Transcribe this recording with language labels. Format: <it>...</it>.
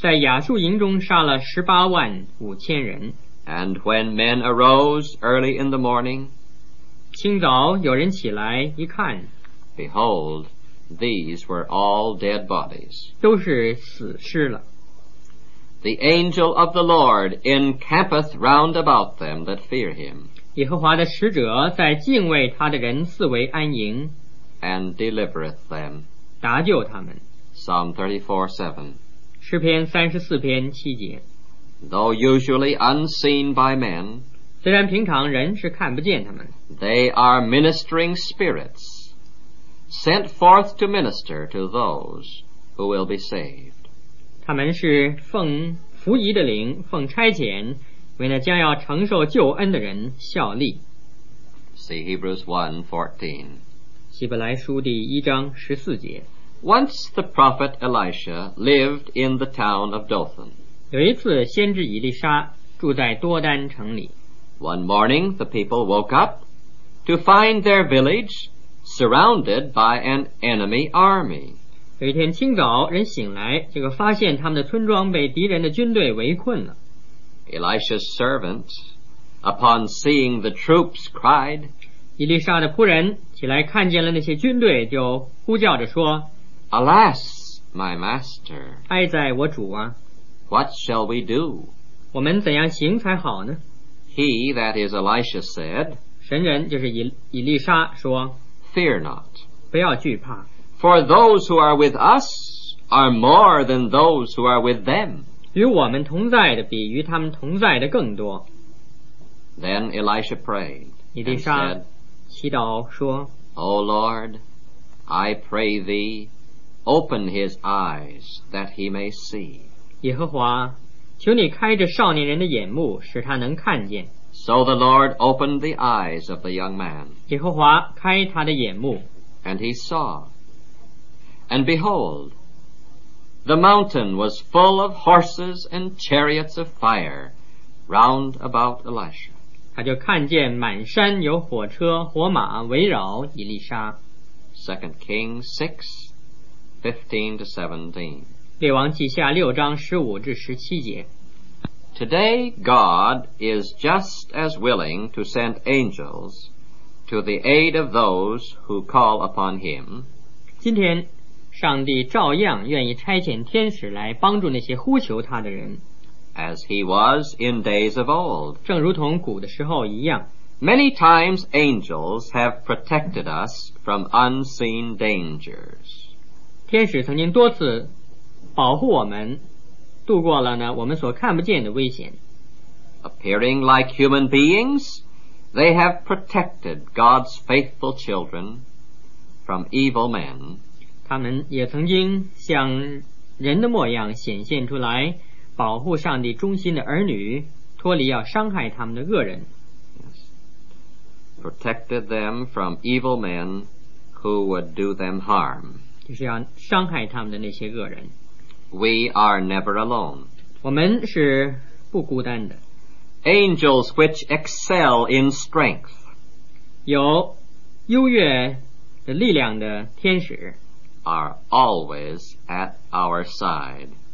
<zh>在亚述营中杀了十八万五千人。</zh> <en>And when men arose early in the morning,</en> <zh>清早有人起来一看，</zh> <en>behold, These were all dead bodies.</en> <zh>都是死尸了。</zh> <en>The angel of the Lord encampeth round about them that fear him.</en> <zh>耶和华的使者在敬畏他的人四围安营。</zh> <en>And delivereth them.</en> <zh>搭救他们。</zh> <en>Psalm 34:7.</en> <zh>诗篇34:7.</zh> <en>Though usually unseen by men,</en> <zh>虽然平常人是看不见他们。</zh> <en>They are ministering spirits, sent forth to minister to those who will be saved.</en> <zh>他们是奉服役的灵奉差遣为那将要承受救恩的人效力</zh> <en>See Hebrews 1:14</en> <zh>希伯来书第一章十四节</zh> <en>Once the prophet Elisha lived in the town of Dothan</en> <zh>有一次先知以利沙住在多丹城里</zh> <en>One morning the people woke up to find their village surrounded by an enemy army</en> <zh>有一天清早人醒来结果发现他们的村庄被敌人的军队围困了</zh> <en>Elisha's servant upon seeing the troops cried</en> <zh>伊丽莎的仆人起来看见了那些军队就呼叫着说</zh> <en>Alas, my master</en> <zh>哀哉我主啊</zh> <en>What shall we do?</en> <zh>我们怎样行才好呢</zh> <en>He, that is Elisha, said</en> <zh>神人就是伊丽莎说</zh> <en>Fear not</en> <zh>不要惧怕</zh> <en>For those who are with us are more than those who are with them.</en> <zh>与我们同在的比与他们同在的更多。</zh> <en>Then Elisha prayed and said,</en> <zh>祈祷说,</zh> <en>O Lord, I pray thee, open his eyes that he may see.</en> <zh>耶和华,求你开着少年人的眼目使他能看见。</zh> <en>So the Lord opened the eyes of the young man.</en> <zh>耶和华开他的眼目。</zh> <en>And he saw. And behold, the mountain was full of horses and chariots of fire round about Elisha.</en> <zh>他就看见满山有火车火马围绕以利沙。</zh> <en>2 Kings 6:15-17</en> <zh>列王记下六章十五至十七节。</zh> <en>Today God is just as willing to send angels to the aid of those who call upon him.</en> <zh>今天上帝照样愿意差遣天使来帮助那些呼求他的人</zh> <en>As he was in days of old</en> <zh>正如同古的时候一样</zh> <en>Many times angels have protected us from unseen dangers</en> <zh>天使曾经多次保护我们度过了呢我们所看不见的危险</zh> <en>Appearing like human beings they have protected God's faithful children from evil men</en> <zh>他们也曾经像人的模样显现出来保护上帝忠心的儿女脱离要伤害他们的恶人</zh> <en>yes. Protected them from evil men who would do them harm</en> <zh>就是要伤害他们的那些恶人</zh> <en>We are never alone</en> <zh>我们是不孤单的</zh> <en>Angels which excel in strength</en> <zh>有优越的力量的天使</zh> <en>are always at our side</en>